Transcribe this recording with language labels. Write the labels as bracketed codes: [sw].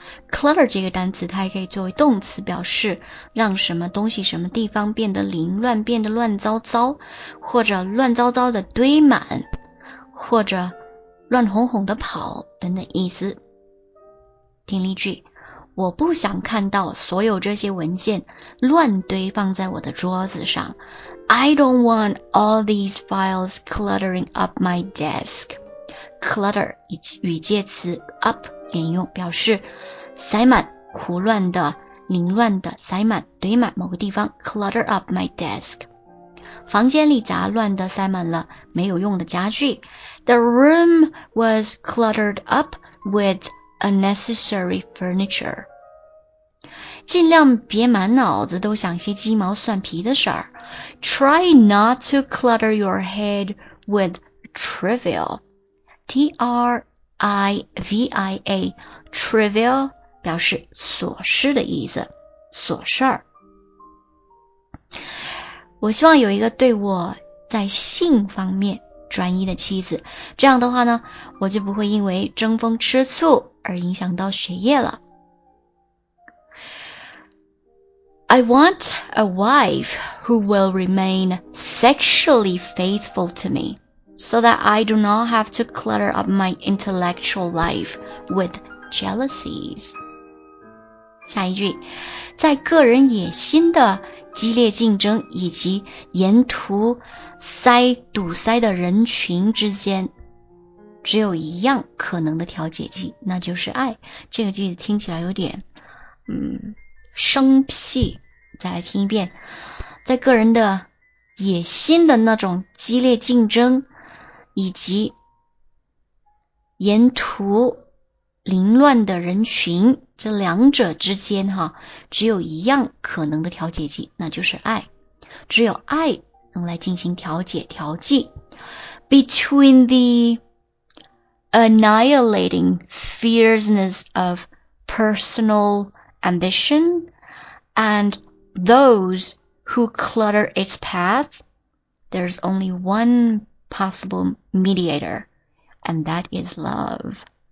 [zh] Clutter 这个单词它还可以作为动词，表示让什么东西什么地方变得凌乱，变得乱糟糟，或者乱糟糟的堆满，或者乱哄哄的跑等等意思。听例句，我不想看到所有这些文件乱堆放在我的桌子上。 [en] I don't want all these files cluttering up my desk. [zh] Clutter 语介词 up 引用，表示塞满、胡乱的、凌乱的、塞满、堆满某个地方。 [en] Clutter up my desk. [zh] 房间里杂乱地塞满了没有用的家具。 [en] The room was cluttered up with unnecessary furniture. [zh] 尽量别满脑子都想些鸡毛蒜皮的事儿。 [en] Try not to clutter your head with trivial. [zh] T-R-I-V-I-A Trivial 表示琐事的意思，琐事儿。我希望有一个对我在性方面专一的妻子，这样的话呢，我就不会因为争风吃醋而影响到学业了。 [en] I want a wife who will remain sexually faithful to me so that I do not have to clutter up my intellectual life with jealousies. [zh] 下一句，在个人野心的激烈竞争以及沿途塞堵塞的人群之间，只有一样可能的调节剂，那就是爱。这个句子听起来有点生僻，再来听一遍。在个人的野心的那种激烈竞争以及沿途凌乱的人群，这两者之间哈，只有一样可能的调节剂，那就是爱。只有爱能来进行调节调剂。 [en] Between the annihilating fierceness of personal ambition and those who clutter its path, there's only one possible mediator, and that is love.